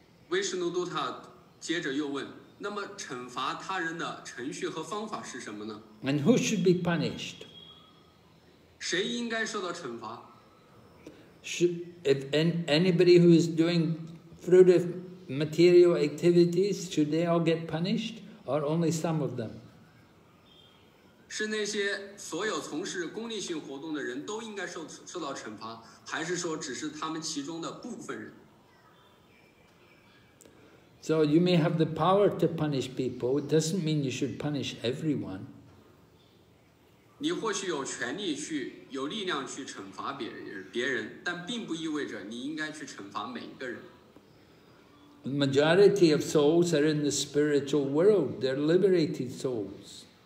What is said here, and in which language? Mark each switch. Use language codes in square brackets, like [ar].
[zh] Vishnu Dutta 接着又问,那么惩罚他人的程序和方法是什么呢? [en] And who should be punished? [zh] 谁应该受到惩罚? [en] If anybody who is doing fruitive material activities, should they all get punished? Or only some of them? [zh] 是那些所有从事功利性活动的人都应该受到惩罚, 还是说只是他们其中的部分人? [en] So you may have the power to punish people, it doesn't mean you should punish everyone. [zh] 你或许有权利去,有力量去惩罚别人, 但并不意味着你应该去惩罚每一个人。 [en] The majority of souls are in the spiritual world, they're liberated souls.